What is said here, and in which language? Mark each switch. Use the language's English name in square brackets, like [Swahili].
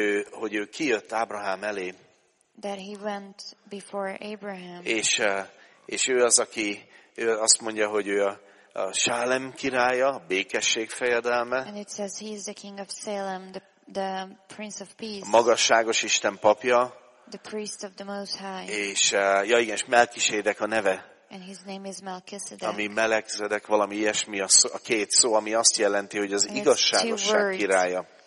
[Hungarian] Hogy ő kijött Ábrahám elé. [English] That he went before Abraham. [Hungarian] És ő az, aki ő azt mondja, hogy ő a Sálem királya, a békesség fejedelme. [English] And it says he is the king of Salem, the prince of peace. [Hungarian] A magasságos Isten papja. [English] The priest of the Most High. [Hungarian] És ja igen, és Melkisédek a neve. [English] And his name is Melchizedek. [Hungarian] Ami Melchizedek, valami ilyesmi a két szó, ami azt jelenti, hogy az igazságosság királya.